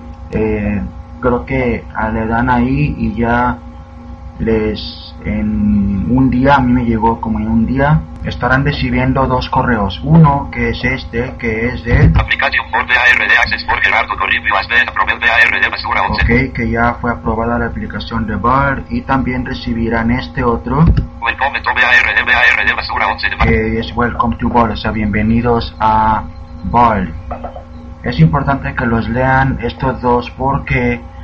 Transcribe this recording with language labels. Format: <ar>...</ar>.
<es>Creo que le dan ahí y ya les en un día, a mí me llegó como en un día, estarán recibiendo dos correos. Uno que es este, que es de.</es> <en>Application for BARD Access for Gerardo Corribio has been approved BARD Basura 11.</en> <es>Ok, que ya fue aprobada la aplicación de BARD y también recibirán este otro.</es> <en>Welcome to BARD, BARD Basura 11.</en> <es>Que es</es> <en>Welcome to BARD,</en> <es>o sea, bienvenidos a BARD. Es importante que los lean estos dos porque.</es>